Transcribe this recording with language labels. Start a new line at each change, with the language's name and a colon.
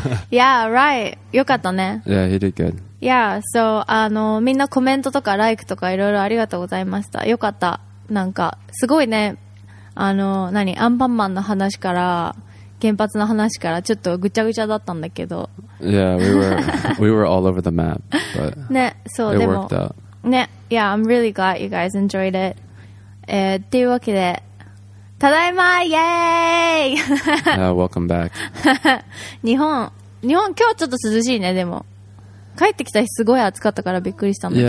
English: Yeah, right,
Japanese: よかったね。
English: Yeah, he did good. Yeah, so
Japanese: みんなコメントとかライクとかいろいろありがとうございました。よかった。なんかすごいね、何、アンパンマンの話から原発の話からちょっとぐちゃぐちゃだったんだけど。
English: Yeah, we were all over the map, but
Japanese: ね、そう、
English: it worked out. ね、Yeah, I'm really glad you guys enjoyed it.
Japanese: っていうわけで、ただいま、イエーイ。
English: Welcome back.
Japanese: 日本今日ちょっと涼しいね。でも帰ってきた日すごい暑かったからびっくりしたんだけど。